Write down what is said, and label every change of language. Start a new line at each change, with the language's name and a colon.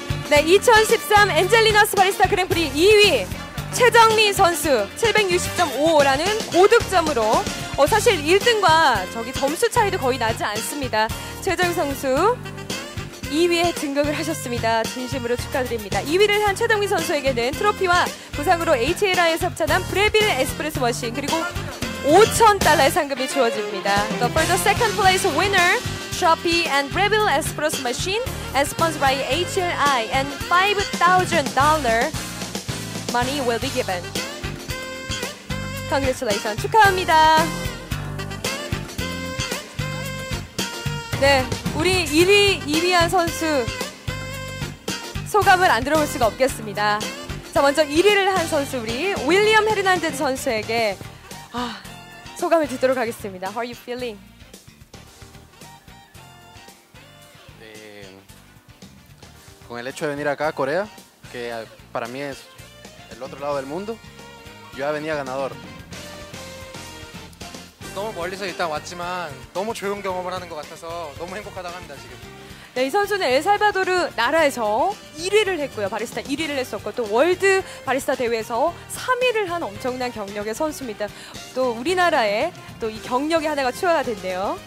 Korean: 네, 2013 엔젤리너스 바리스타 그랑프리 2위 최정민 선수 760.55라는 고득점으로 사실 1등과 저기 점수 차이도 거의 나지 않습니다. 최정 선수 2위에 등극을 하셨습니다. 진심으로 축하드립니다. 2위를 한 최정민 선수에게는 트로피와 부상으로 HLI에 섭찬한 브레빌 에스프레소 머신 그리고 $5,000 상금이 주어집니다.
English: So for the second place winner, Shopee and Breville Espresso Machine as sponsored by HLI and $5,000 money will be given. Congratulations.
Korean: 축하합니다. 네, 우리 1위, 2위한 선수 소감을 안 들어볼 수가 없겠습니다. 자, 먼저 1위를 한 선수 우리 윌리엄 헤르난데스 선수에게 소감을 듣도록 하겠습니다.
English: How are you feeling?
Spanish: 네, con el hecho de venir acá a Corea, que para mí es el otro lado del mundo, yo ya venía ganador.
Korean: 너무 멀리서 일단 왔지만 너무 좋은 경험을 하는 것 같아서 너무 행복하다고 합니다 지금. 네, 이 선수는 엘살바도르 나라에서 1위를 했고요. 바리스타 1위를 했었고 또 월드 바리스타 대회에서 3위를 한 엄청난 경력의 선수입니다. 또 우리나라에 또 이 경력의 하나가 추가가 됐네요.